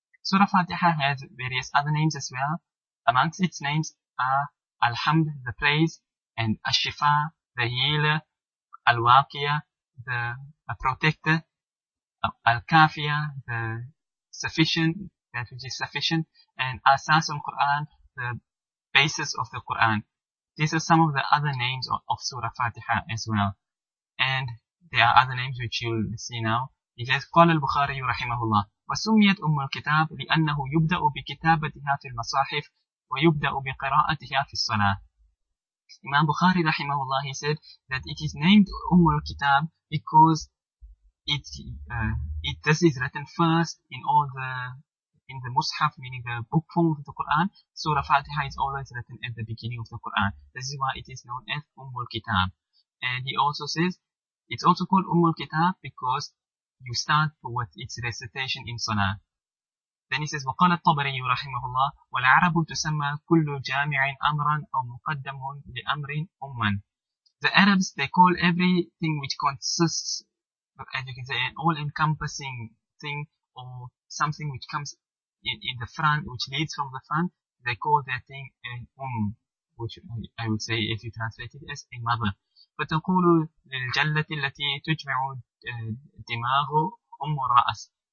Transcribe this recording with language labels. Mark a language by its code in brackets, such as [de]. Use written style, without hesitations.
[en] Surah Fatiha has various other names as well. Amongst its names are Alhamd, the praise, and Ashifa, the healer, Alwaqiya, the protector, Alkafiya, the sufficient, that which is sufficient, and Asas al-Quran, the basis of the Quran. These are some of the other names of Surah Fatiha as well. And there are other names which you'll see now. He says, [ar] قال البخاري رحمه الله وسميت أم الكتاب لأنه يبدأ بكتابتها في المصاحف ويبدأ بقراءتها في الصلاة. [en] Imam Bukhari rahimahullah, he said that it is named Ummul Kitab because this is written first in the Mushaf, meaning the book form of the Quran. Surah Fatiha is always written at the beginning of the Quran. This is why it is known as Ummul Kitab. And he also says it's also called Ummul Kitab because you start with its recitation in Salah. Then he says, [ar] وقال الطبري رحمه الله والعرب تسمى كل جامع أمرا أو مقدم لأمر أما. [en] The Arabs, they call everything which consists, as you can say, an all-encompassing thing or something which comes in the front, which leads from the front, they call that thing an which I would say if you translate it as a mother. [ar] فتقول للجلة التي تجمع دماغ أم الرأس.